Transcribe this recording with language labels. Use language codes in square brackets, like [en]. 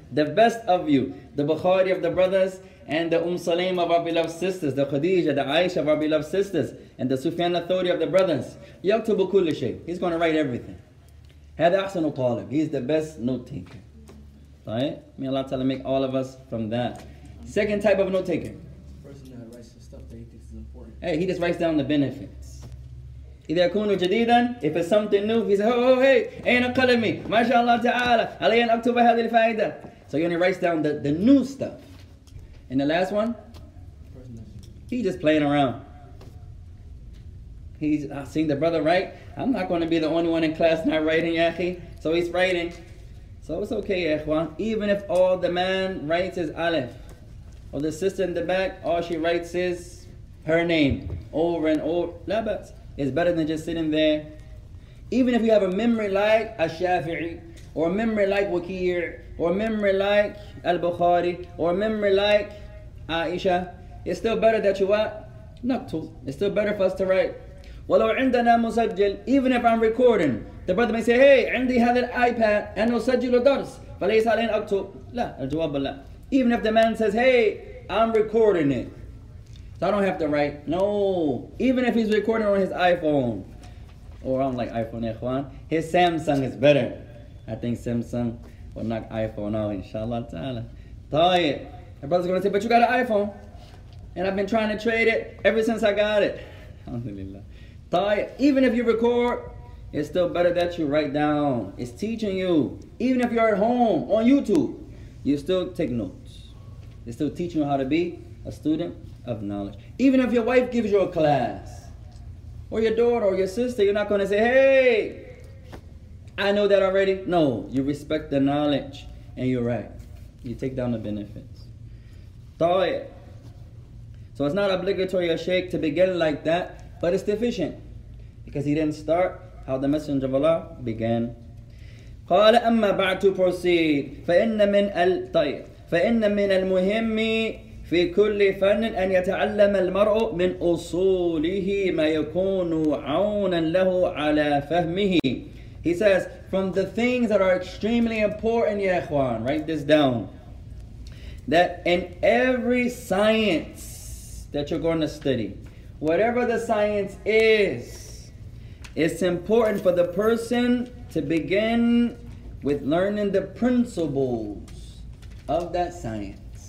[en] The best of you, the Bukhari of the brothers, and the Salim of our beloved sisters, the Khadija, the Aisha of our beloved sisters, and the Sufyan authority of the brothers. [ar] يكتبوا كل شيء. [en] He's going to write everything. [ar] هذا أحسن الطالب. [en] He's the best note taker. Right? May Allah Ta'ala make all of us from that. Second type of note taker. The person that writes the stuff that he thinks is important. Hey, he just writes down the benefit. [ar] إذا يكون جديدا, [en] if it's something new, he says, oh, hey, [ar] أين قلمي, ما شاء الله تعالى, علي أن أكتب هذه الفائدة. [en] So he only writes down the new stuff. And the last one, he's just playing around. He's seeing the brother write, I'm not going to be the only one in class not writing, yaخي. So he's writing. So it's okay, إخوان, even if all the man writes is Aleph, or the sister in the back, all she writes is her name, over and over, [ar] لا بأس. [en] It's better than just sitting there. Even if you have a memory like Al-Shafi'i, or a memory like Wakir, or a memory like Al-Bukhari, or a memory like Aisha, it's still better that you what? Naktu. It's still better for us to write. [ar] وَلَوْ عِنْدَنَا مُسَجِّلْ [en] Even if I'm recording, the brother may say, hey, [ar] عندي هذا الآيباد أنا أسجل درس فليس علينا أكتب. لا, الجواب لا. [en] Even if the man says, hey, I'm recording it, so I don't have to write. No. Even if he's recording on his iPhone. Or I don't like iPhone, ikhwan. His Samsung is better. I think Samsung will knock iPhone out, inshallah ta'ala. Tayyib. My brother's going to say, but you got an iPhone. And I've been trying to trade it ever since I got it. Alhamdulillah. Tayyib. Even if you record, it's still better that you write down. It's teaching you. Even if you're at home on YouTube, you still take notes. It's still teaching you how to be a student of knowledge. Even if your wife gives you a class, or your daughter, or your sister, you're not going to say, hey, I know that already. No, you respect the knowledge, and you're right. You take down the benefits. So it's not obligatory, a sheikh, to begin like that, but it's deficient, because he didn't start how the Messenger of Allah began. [ar] قال أما بعد [en] to proceed, [ar] فإن من المهم في كل فن أن يتعلم المرء من أصوله ما يكون عونا له على فهمه. [en] He says, from the things that are extremely important, ya ikhwan, write this down, that in every science that you're going to study, whatever the science is, it's important for the person to begin with learning the principles of that science.